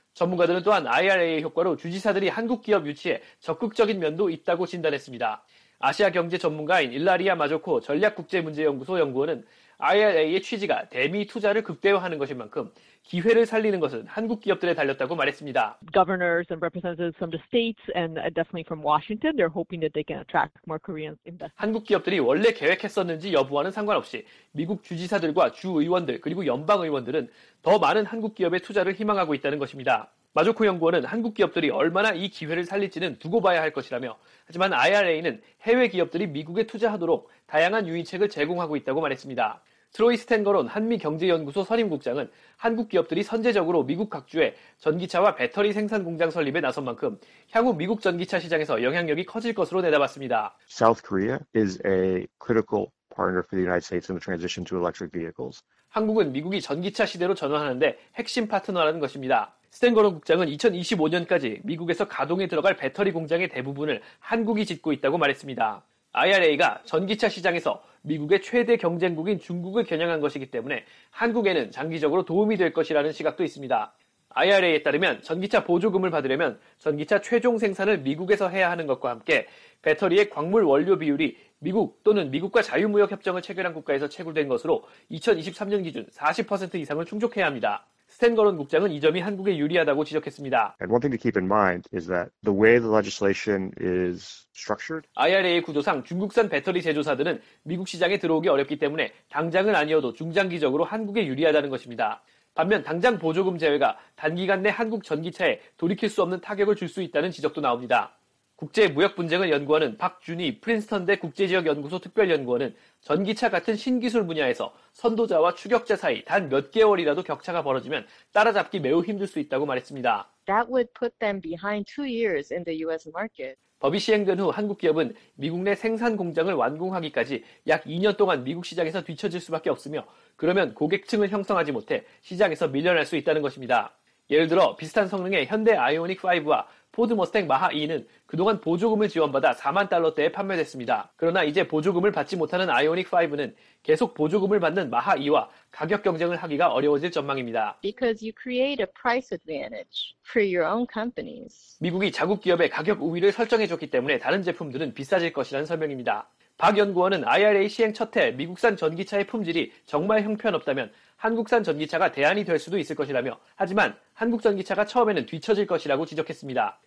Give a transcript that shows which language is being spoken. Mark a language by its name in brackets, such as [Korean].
[Korean] 전문가들은 또한 IRA의 효과로 주지사들이 한국 기업 유치에 적극적인 면도 있다고 진단했습니다. 아시아 경제 전문가인 일라리아 마조코 전략국제문제연구소 연구원은 IRA의 취지가 대미 투자를 극대화하는 것인 만큼 기회를 살리는 것은 한국 기업들에 달렸다고 말했습니다. [English] Governors and representatives from the states and definitely from Washington, they're hoping that they can attract more Koreans in the [Korean] 한국 기업들이 원래 계획했었는지 여부와는 상관없이 미국 주지사들과 주의원들 그리고 연방의원들은 더 많은 한국 기업의 투자를 희망하고 있다는 것입니다. 마조코 연구원은 한국 기업들이 얼마나 이 기회를 살릴지는 두고 봐야 할 것이라며 하지만 IRA는 해외 기업들이 미국에 투자하도록 다양한 유인책을 제공하고 있다고 말했습니다. 트로이 스탠거론 한미경제연구소 선임국장은 한국 기업들이 선제적으로 미국 각주에 전기차와 배터리 생산 공장 설립에 나선 만큼 향후 미국 전기차 시장에서 영향력이 커질 것으로 내다봤습니다. [English] South Korea is a critical partner for the United States in the transition to electric vehicles. [Korean] 한국은 미국이 전기차 시대로 전환하는데 핵심 파트너라는 것입니다. 스탠거론 국장은 2025년까지 미국에서 가동에 들어갈 배터리 공장의 대부분을 한국이 짓고 있다고 말했습니다. IRA가 전기차 시장에서 미국의 최대 경쟁국인 중국을 겨냥한 것이기 때문에 한국에는 장기적으로 도움이 될 것이라는 시각도 있습니다. IRA에 따르면 전기차 보조금을 받으려면 전기차 최종 생산을 미국에서 해야 하는 것과 함께 배터리의 광물 원료 비율이 미국 또는 미국과 자유무역협정을 체결한 국가에서 채굴된 것으로 2023년 기준 40% 이상을 충족해야 합니다. 스탠거론 국장은 이 점이 한국에 유리하다고 지적했습니다. [English] And one thing to keep in mind is that the way the legislation is structured. [Korean] IRA의 구조상 중국산 배터리 제조사들은 미국 시장에 들어오기 어렵기 때문에 당장은 아니어도 중장기적으로 한국에 유리하다는 것입니다. 반면 당장 보조금 제외가 단기간 내 한국 전기차에 돌이킬 수 없는 타격을 줄 수 있다는 지적도 나옵니다. 국제 무역 분쟁을 연구하는 박준희 프린스턴대 국제지역연구소 특별연구원은 전기차 같은 신기술 분야에서 선도자와 추격자 사이 단 몇 개월이라도 격차가 벌어지면 따라잡기 매우 힘들 수 있다고 말했습니다. [English] That would put them behind two years in the US market. [Korean] 법이 시행된 후 한국 기업은 미국 내 생산 공장을 완공하기까지 약 2년 동안 미국 시장에서 뒤처질 수밖에 없으며 그러면 고객층을 형성하지 못해 시장에서 밀려날 수 있다는 것입니다. 예를 들어 비슷한 성능의 현대 아이오닉5와 포드 머스탱 마하 2는 그동안 보조금을 지원받아 4만 달러대에 판매됐습니다. 그러나 이제 보조금을 받지 못하는 아이오닉 5는 계속 보조금을 받는 마하 2와 가격 경쟁을 하기가 어려워질 전망입니다. [English] Because you create a price advantage for your own companies. [Korean] 미국이 자국 기업의 가격 우위를 설정해줬기 때문에 다른 제품들은 비싸질 것이라는 설명입니다. 박 연구원은 IRA 시행 첫해 미국산 전기차의 품질이 정말 형편없다면 한국산 전기차가 대안이 될 수도 있을 것이라며 하지만 한국 전기차가 처음에는 뒤처질 것이라고 지적했습니다.